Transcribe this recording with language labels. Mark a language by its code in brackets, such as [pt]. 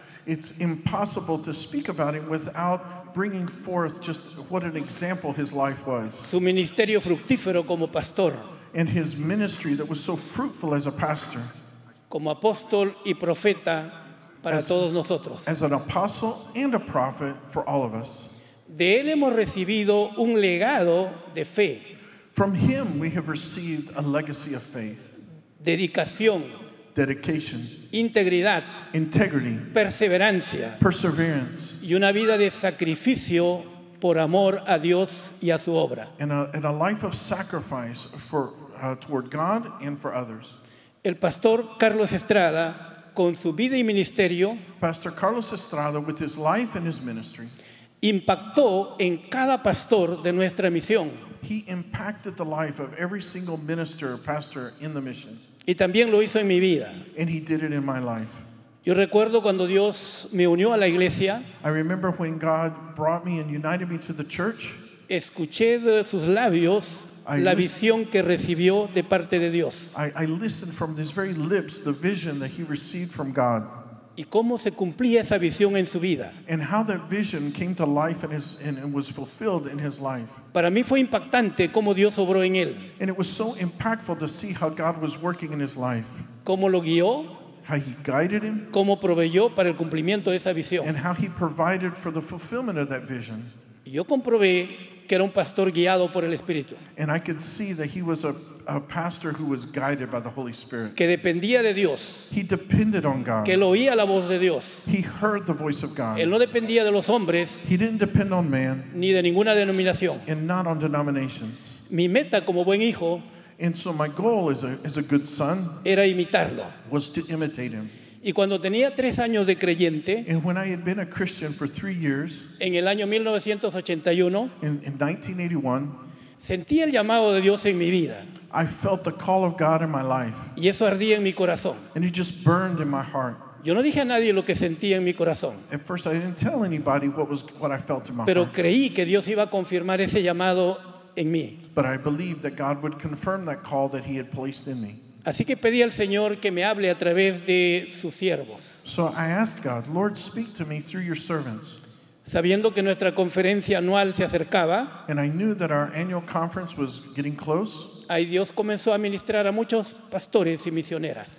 [en] It's impossible to speak about him without bringing forth just what an example his life was. [es] Su ministerio fructífero como pastor. [en] And his ministry that was so fruitful as a pastor, [es] como apóstol y profeta para todos nosotros, [en] as an apostle and a prophet for all of us. [es] De él hemos recibido un legado de fe. [en] From him we have received a legacy of faith. [es] Dedicación. [en] Dedication. [es] Integridad. [en] Integrity. [es] Perseverancia. [en] Perseverance. [es] Y una vida de sacrificio. Por amor a Dios y a su obra. [en] And a life of sacrifice for toward God and for others. [es] El pastor Carlos Estrada, con su vida y ministerio, [en] Pastor Carlos Estrada, with his life and his ministry, [es] impactó en cada pastor de nuestra misión. [en] He impacted the life of every single minister or pastor in the mission. [es] Y también lo hizo en mi vida. [en] And he did it in my life. [es] Yo recuerdo cuando Dios me unió a la iglesia. [en] I remember when God brought me and united me to the church. [es] Escuché de sus labios la visión que recibió de parte de Dios. [en] I listened from his very lips the vision that he received from God. [es] Y cómo se cumplía esa visión en su vida. [en] And how that vision came to life and was fulfilled in his life. [es] Para mí fue impactante cómo Dios obró en él. [en] And it was so impactful to see how God was working in his life. [es] Cómo lo guió. [en] How he guided him. [es] Cómo proveyó para el cumplimiento de esa visión. [en] And how he provided for the fulfillment of that vision. [es] Yo comprobé que era un pastor guiado por el Espíritu. [en] And I could see that he was a pastor who was guided by the Holy Spirit. [es] Que dependía de Dios. [en] He depended on God. [es] Que oía la voz de Dios. [en] He heard the voice of God. [es] Él no dependía de los hombres. [en] He didn't depend on man. [es] Ni de ninguna denominación. [en] And not on denominations. [es] Mi meta como buen hijo. [en] And so my goal as a good son [es] era imitarlo. [en] Was to imitate him. [es] Y cuando tenía 3 años de creyente, [en] and when I had been a Christian for 3 years, [es] en el año 1981, [en] in 1981, [es] sentí el llamado de Dios en mi vida. [en] I felt the call of God in my life. [es] Y eso ardía en mi corazón. [en] And it just burned in my heart. [es] Yo no dije a nadie lo que sentía en mi corazón. [en] At first I didn't tell anybody what I felt in my [es] pero [en] heart. [es] Creí que Dios iba a confirmar ese llamado. [en] But I believed that God would confirm that call that he had placed in me. [es] Así que pedí al Señor que me hable a través de sus siervos. [en] So I asked God, Lord, speak to me through your servants. [es] Sabiendo que nuestra conferencia anual se acercaba, [en] and I knew that our annual conference was getting close. [es] Ahí Dios comenzó a ministrar a muchos pastores y misioneras.